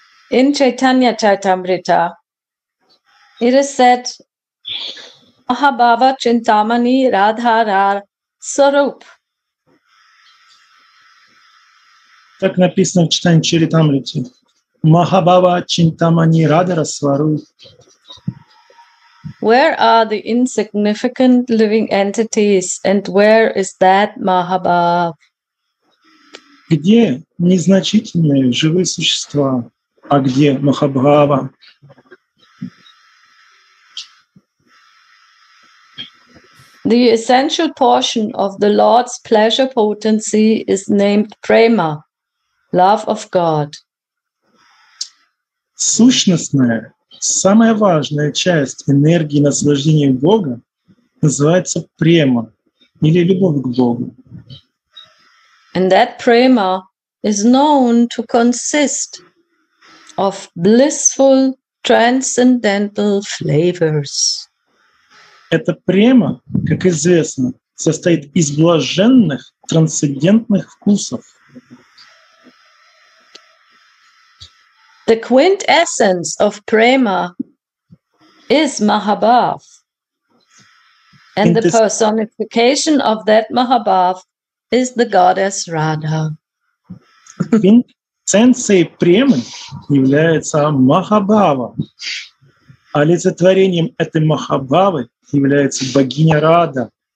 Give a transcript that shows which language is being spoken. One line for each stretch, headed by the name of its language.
English: In Chaitanya Charitamrita it is said
Bangla: Mahabhava Chintamani Radharar Sarup.
Russian: Так написано в Чайтанья Чаритамрите.
Bangla: Махабхава Чинтамани Радхара Сваруп.
English: Where are the insignificant living entities and where is that Mahabhav?
Russian: Где незначительные живые существа, а где Махабхава?
English: The essential portion of the Lord's pleasure potency is named prema, love of God.
Russian: Сущностная. Самая важная часть энергии наслаждения Бога называется према, или любовь к Богу.
English: And that prema is known to consist of blissful transcendental flavors.
Russian: Эта према, как известно, состоит из блаженных трансцендентных вкусов.
English: The quintessence of prema is Mahabhav, and the personification of that Mahabhav is the goddess Radha.
Russian: Квинтэссенцией премы является Махабхава. Олицетворением этой Махабхавы является богиня Радха.